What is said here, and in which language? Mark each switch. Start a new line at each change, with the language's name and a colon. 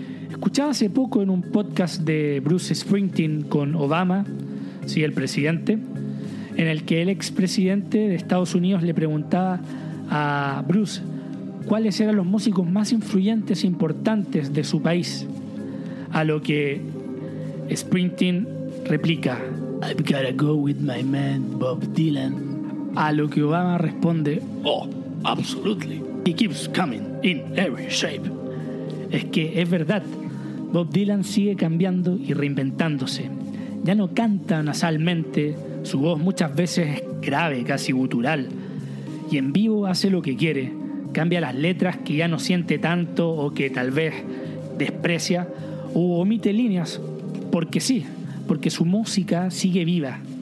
Spanish: Escuchaba hace poco en un podcast de Bruce Springsteen con Obama, sí, el presidente, en el que el expresidente de Estados Unidos le preguntaba a Bruce cuáles eran los músicos más influyentes e importantes de su país, a lo que Springsteen replica,
English: I've gotta go with my man Bob Dylan,
Spanish: a lo que Obama responde,
English: oh, absolutely, he keeps coming in every shape.
Spanish: Es que es verdad, Bob Dylan sigue cambiando y reinventándose. ya no canta nasalmente, su voz muchas veces es grave, casi gutural, y en vivo hace lo que quiere, cambia las letras que ya no siente tanto o que tal vez desprecia, o omite líneas, porque sí, porque su música sigue viva.